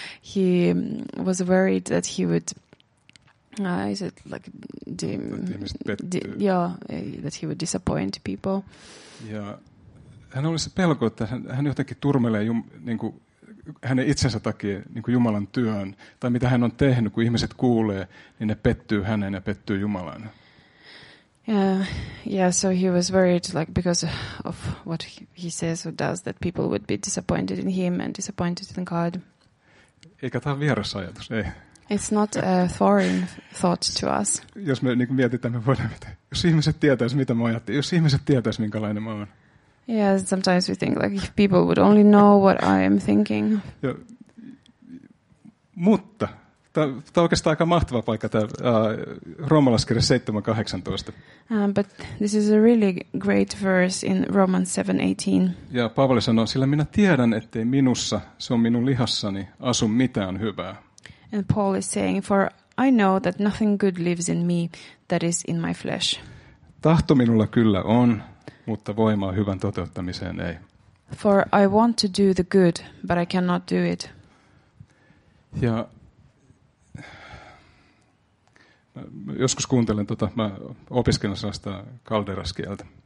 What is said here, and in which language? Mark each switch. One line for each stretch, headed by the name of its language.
English: He was worried that he would that he would disappoint people.
Finnish: Ja hän oli se pelko, että hän jotenkin turmelee niinku hänen itsensä takia niinku Jumalan työn tai mitä hän on tehnyt, kun ihmiset kuulee, niin ne pettyy häneen ja pettyy Jumalaan.
English: Yeah, so he was worried because of what he says or does that people would be disappointed in him and disappointed in God.
Finnish: Eikä tämä vieras ajatus, ei.
English: It's not a foreign thought to us.
Finnish: Jos me niinku mietitään, me voidaan mitä. Jos ihmiset tietäisivät, mitä mä ajattelin, jos ihmiset tietäisivät, minkälainen mä oon.
English: Yeah, sometimes we think if people would only know what I am thinking.
Finnish: Ja, mutta tämä on oikeastaan aika mahtava paikka, tämä Roomalaiskirja 7:18.
English: But this is a really great verse in Romans 7:18.
Finnish: Ja Paavali sanoo, sillä minä tiedän, ettei minussa, se on minun lihassani, asu mitään hyvää.
English: And Paul is saying, for I know that nothing good lives in me, that is in my flesh.
Finnish: Tahto minulla kyllä on, mutta voimaa hyvän toteuttamiseen ei.
English: For I want to do the good, but I cannot do it.
Finnish: Ja mä joskus kuuntelen mä opiskelen sellaista kalderaskieltä.